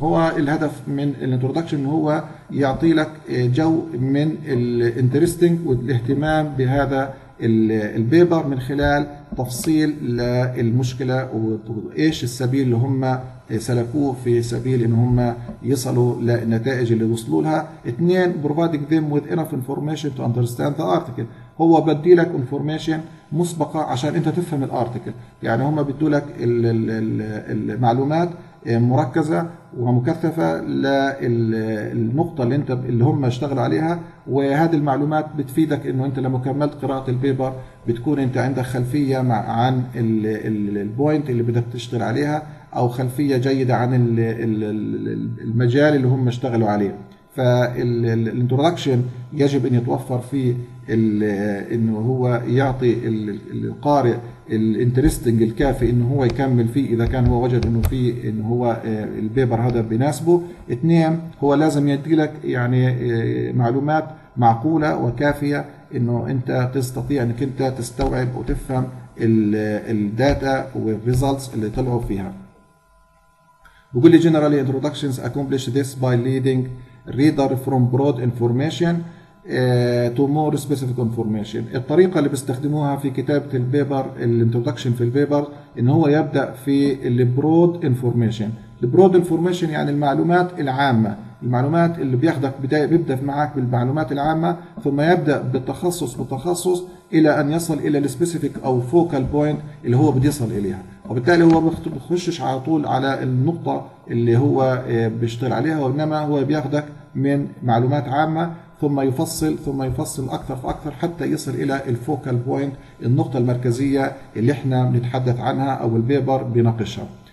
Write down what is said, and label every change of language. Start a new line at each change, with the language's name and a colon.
Arabic: هو الهدف من الانترودكشن هو يعطي لك جو من الانترستنج والاهتمام بهذا البيبر من خلال تفصيل للمشكله وايش السبيل اللي هم سلكوه في سبيل ان هم يصلوا للنتائج اللي وصلوا لها. اثنين
English: providing them with enough information to understand the article.
Arabic: هو بدي لك انفورميشن مسبقه عشان انت تفهم الارتكل، يعني هم بدوا لك المعلومات مركزه ومكثفه للنقطه اللي انت اللي هم اشتغلوا عليها، وهذه المعلومات بتفيدك انه انت لما كملت قراءه البيبر بتكون انت عندك خلفيه عن البوينت اللي بدك تشتغل عليها او خلفيه جيده عن المجال اللي هم اشتغلوا عليه. فالانترودكشن يجب ان يتوفر فيه انه هو يعطي القارئ الانترستنج الكافي انه هو يكمل فيه اذا كان هو وجد انه فيه انه هو البيبر هذا بيناسبه. اثنين هو لازم يدي لك يعني معلومات معقوله وكافيه انه انت تستطيع انك انت تستوعب وتفهم الداتا والريزلتس اللي طلعوا فيها. بقول لي
English: generally introductions accomplish this by leading reader from broad information to more specific information.
Arabic: الطريقة اللي بيستخدموها في كتابة البيبر الانترودكشن في البيبر ان هو يبدأ في البرود انفورميشن. البرود انفورميشن يعني المعلومات العامة، المعلومات اللي بياخدك بداية بيبدأ معك بالمعلومات العامة ثم يبدأ بالتخصص بالتخصص الى ان يصل الى السبيسيفيك او فوكال بوينت اللي هو بده يصل اليها، وبالتالي هو بخشش على طول على النقطة اللي هو بيشتغل عليها، وانما هو بياخدك من معلومات عامة ثم يفصل ثم يفصل اكثر فاكثر حتى يصل الى الفوكال بوينت النقطة المركزية اللي احنا بنتحدث عنها او البيبر بيناقشها.